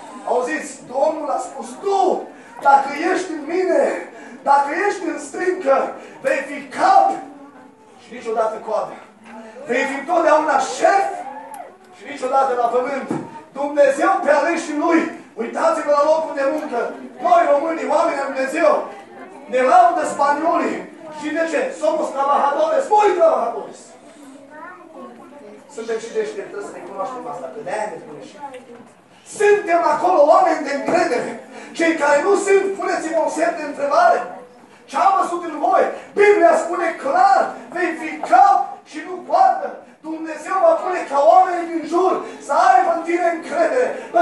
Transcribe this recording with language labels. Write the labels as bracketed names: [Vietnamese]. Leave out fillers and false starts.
[Romanian] Auziți, Domnul a spus, tu, dacă ești în mine, dacă ești în strâncă, vei fi cap și niciodată coadă. Vei fi totdeauna șef și niciodată la pământ. Dumnezeu pe aleșii lui, uitați-vă la locul de muncă. Noi românii, oameni de Dumnezeu, ne laudă spaniolii. Și de ce? [Spanish] Somos trabajadores, [Romanian] voi [Spanish] trabajadores. [Romanian] Suntem și deștepți, trebuie să ne cunoaștem asta, că de-aia ne spune și. Suntem acolo oameni de încredere. Cei care nu sunt, puneți-vă un semn de întrebare. Ce am văzut în voi? Biblia spune clar, vei fi cap și nu coadă. Dumnezeu va pune ca oamenii din jur să aibă în tine încredere. Mă,